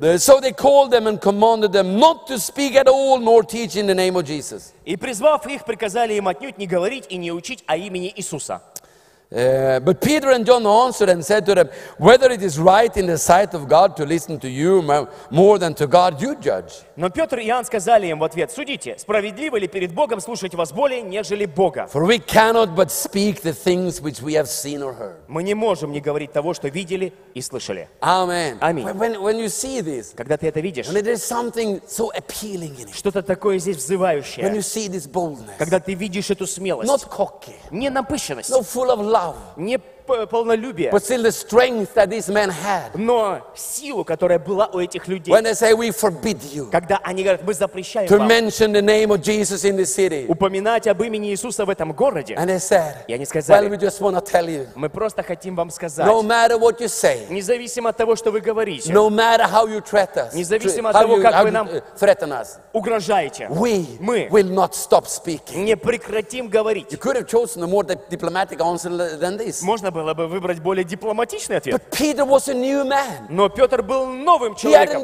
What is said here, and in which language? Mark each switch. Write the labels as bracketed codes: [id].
[en] So they called them and commanded them not to speak at all nor teach in the name of Jesus. [ru] И призвав их, приказали им отнюдь не говорить и не учить о имени Иисуса. [en] But Peter and John answered and said to them, "Whether it is right in the sight of God to listen to you more than to God, you judge." [ru] Но Петр и Иоанн сказали им в ответ: "Судите, справедливо ли перед Богом слушать вас более, нежели Бога?" [en] For we cannot but speak the things which we have seen or heard. [ru] Мы не можем не говорить того, что видели и слышали. [en] Amen. [ru] Аминь. [en] When you see this, [ru] когда ты это видишь, [en] when there is something so appealing in it, [ru] что-то такое здесь взывающее, [en] when you see this boldness, [ru] когда ты видишь эту смелость, [en] not cocky, [ru] не напыщенность, [en] no full of [ru] не полнолюбие, [en] but still the strength that this man had, [ru] но силу, которая была у этих людей. [en] When they say, "We forbid you," [ru] когда они говорят, мы запрещаем [en] to [ru] вам [en] mention the name of Jesus in this city, [ru] упоминать об имени Иисуса в этом городе. [en] And they said, [ru] и они сказали, [en] well, we just want to tell you, [ru] мы просто хотим вам сказать, [en] no matter what you say, [ru] независимо от того, что вы говорите, [en] no matter how you threat us, [ru] независимо от того, как вы нам [en] threaten us, [ru] угрожаете, мы [en] will not stop speaking, [ru] не прекратим говорить. [en] You could have chosen a more diplomatic answer than this. [ru] Можно было бы выбрать более дипломатичный ответ. [en] But Peter was a new man. [ru] Но Петр был новым человеком.